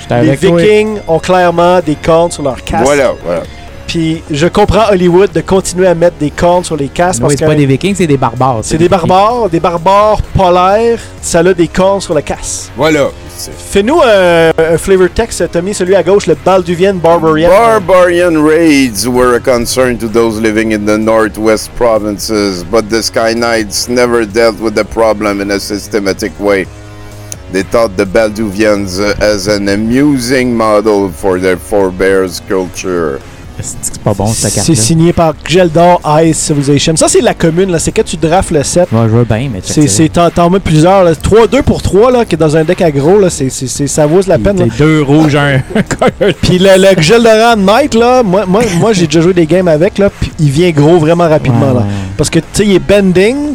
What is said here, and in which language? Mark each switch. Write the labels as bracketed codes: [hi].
[fr] Les Vikings ont clairement des cornes sur leur casque. Voilà, voilà. Puis je comprends Hollywood de continuer à mettre des cornes sur les casques. Oui, c'est pas des Vikings, c'est des barbares. C'est des barbares, des barbares polaires, ça a des cornes sur le casque. Voilà. Fais-nous un flavor text, Tommy, celui à gauche, le Balduvienne Barbarian. [en] Barbarian raids were a concern to those living in the northwest provinces, but the Sky Knights never dealt with the problem in a systematic way. They thought the Balduvians as an amusing model for their forebears' culture. [fr] C'est pas bon, cette carte. C'est signé par Gjeldor Ice Civilization. Ça, c'est la commune, là. C'est quand tu drafts le set. Moi, je veux bien, mais T'en mets plusieurs, là. 3-2 pour 3, là, qui est dans un deck aggro, là. C'est, ça vaut la peine, là. Deux rouges, un. Puis le Gjeldor Knight, là, moi, j'ai déjà joué des games avec, là. Puis il vient gros vraiment rapidement, là. Parce que, tu sais, il est bending.